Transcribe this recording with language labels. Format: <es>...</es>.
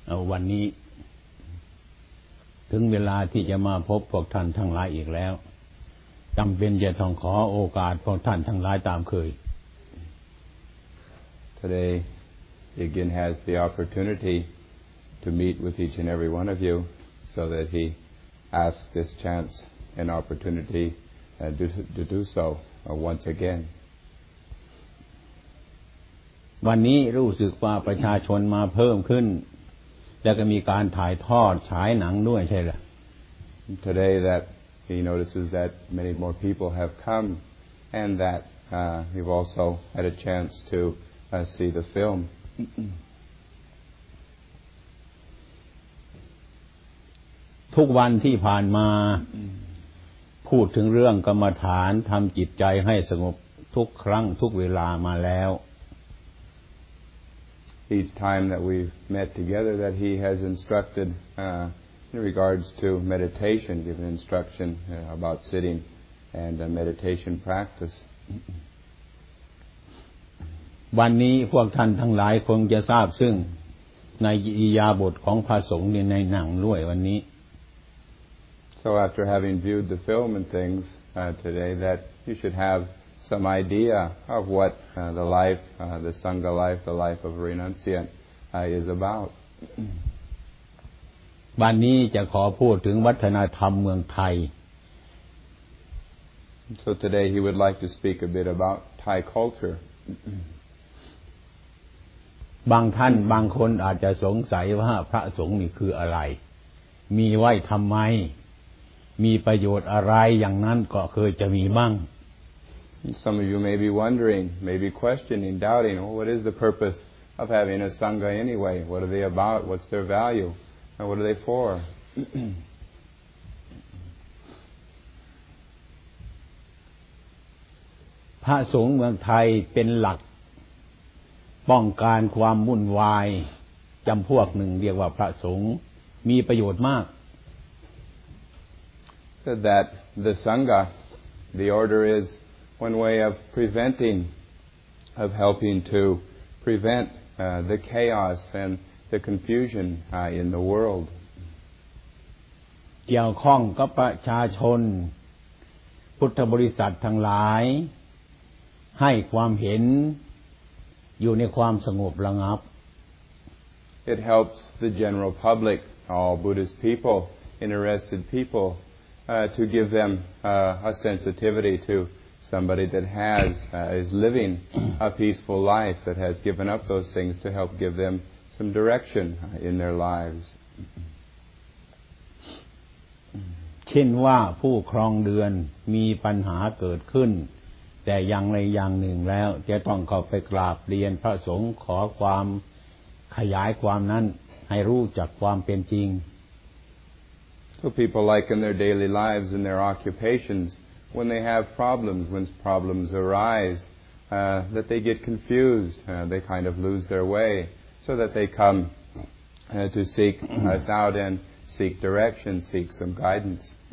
<th>วันนี้ถึงเวลาที่จะมาพบพวกท่านทั้งหลายอีกแล้วจำเป็นจะต้องขอโอกาสพวกท่านทั้งหลายตามเคย</th> <en>Today again has the opportunity to meet with each and every one of you so that he asks this chance and opportunity to do so once again</en> <th>วันนี้รู้สึกว่าประชาชนมาเพิ่มขึ้นแล้วก็มีการถ่ายทอดฉายหนังด้วยใช่หรือ</th> <en>Today that he notices that many more people have come and that we've also had a chance to see the film</en> <th>ทุกวันที่ผ่านมาพูดถึงเรื่องกรรมฐานทำจิตใจให้สงบทุกครั้งทุกเวลามาแล้ว</th> <en>Each time that we've met together that he has instructed in regards to meditation, given instruction about sitting and meditation practice.</en> <th>วันนี้พวกท่านทั้งหลายคงจะทราบซึ่งในอิยาบทของพระสงฆ์ในหนังด้วยวันนี้</th> <en>So after having viewed the film and things today that you should haveSome idea of what the life, the Sangha life, the life of a renunciant is about.</en> <th>วันนี้จะขอพูดถึงวัฒนธรรมเมืองไทย</th> <en>So today he would like to speak a bit about Thai culture.</en> <th>บางท่านบางคนอาจจะสงสัยว่าพระสงฆ์นี่คืออะไรมีไหว้ทำไมมีประโยชน์อะไรอย่างนั้นก็เคยจะมีบ้าง</th> <en>Some of you may be wondering, may be questioning, doubting, well, what is the purpose of having a Sangha anyway? What are they about? What's their value? And what are they for?</en> <th>พระสงฆ์เมืองไทยเป็นหลักป้องกันความวุ่นวายจำพวกหนึ่งเรียกว่าพระสงฆ์มีประโยชน์มาก</th> <en>Said that the Sangha, the order isOne way of preventing, of helping to prevent the chaos and the confusion in the world.</en> <th>เกี่ยวข้องกับประชาชนพุทธบริษัททั้งหลายให้ความเห็นอยู่ในความสงบระงับ</th> <en>It helps the general public, all Buddhist people, interested people, to give them a sensitivity to. Somebody that has is living a peaceful life that has given up those things to help give them some direction in their lives.</en> <th>เช่นว่าผู้ครองเรือนมีปัญหาเกิดขึ้นแต่อย่างใดอย่างหนึ่งแล้วจะต้องเข้าไปกราบเรียนพระสงฆ์ขอความขยายความนั้นให้รู้จักความเป็นจริง</th> <en>So people like in their daily lives and their occupationsWhen they have problems, when problems arise, that they get confused, they kind of lose their way, so that they come to seek us out and seek direction, seek some guidance.</en>